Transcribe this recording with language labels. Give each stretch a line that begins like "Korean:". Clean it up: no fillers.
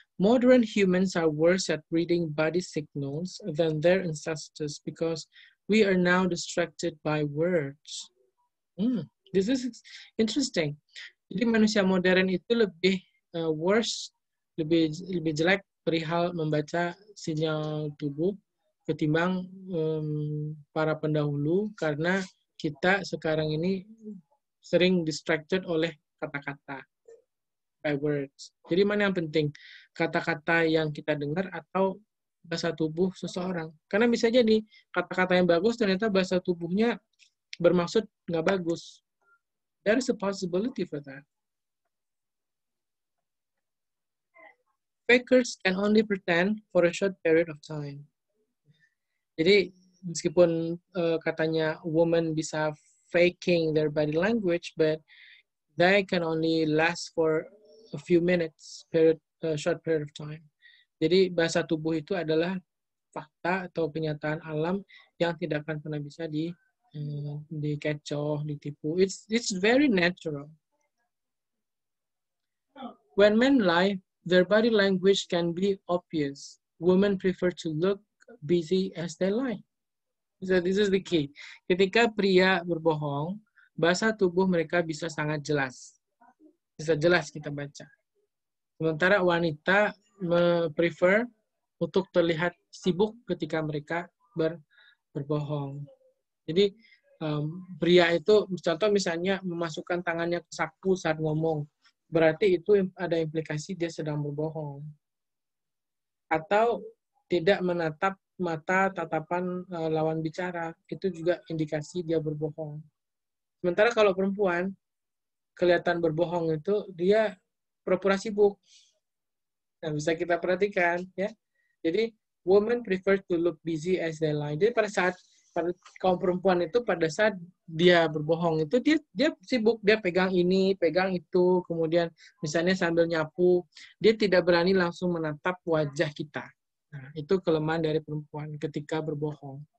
English: Modern humans are worse at reading body signals than their ancestors because we are now distracted by words. This is interesting.
Indonesian: Jadi manusia modern itu lebih worse, lebih jelek perihal membaca sinyal tubuh ketimbang para pendahulu karena kita sekarang ini sering distracted oleh kata-kata,
English: by words.
Indonesian: Jadi mana yang penting, kata-kata yang kita dengar atau bahasa tubuh seseorang? Karena bisa jadi kata-kata yang bagus ternyata bahasa tubuhnya bermaksud nggak bagus.
English: There is a possibility for that. Fakers can only pretend for a short period of time.
Indonesian: Jadi, meskipun katanya
English: woman bisa faking their body language, but they can only last for a few minutes, a short period of time.
Indonesian: Jadi, bahasa tubuh itu adalah fakta atau kenyataan alam yang tidak akan pernah bisa dikecoh, ditipu.
English: It's very natural. When men lie, their body language can be obvious. Women prefer to look busy as they lie. So this is the key.
Indonesian: Ketika pria berbohong, bahasa tubuh mereka bisa sangat jelas. Bisa jelas kita baca. Sementara wanita prefer untuk terlihat sibuk ketika mereka berbohong. Jadi pria itu, contoh misalnya memasukkan tangannya ke saku saat ngomong, berarti itu ada implikasi dia sedang berbohong. Atau tidak menatap mata tatapan lawan bicara, itu juga indikasi dia berbohong. Sementara kalau perempuan, kelihatan berbohong itu dia pura-pura sibuk. Nah, bisa kita perhatikan, ya.
English: Jadi, women prefer to look busy as they lie.
Indonesian: Jadi, pada saat kaum perempuan itu pada saat dia berbohong itu dia sibuk, dia pegang ini, pegang itu, kemudian misalnya sambil nyapu, dia tidak berani langsung menatap wajah kita. Nah, itu kelemahan dari perempuan ketika berbohong.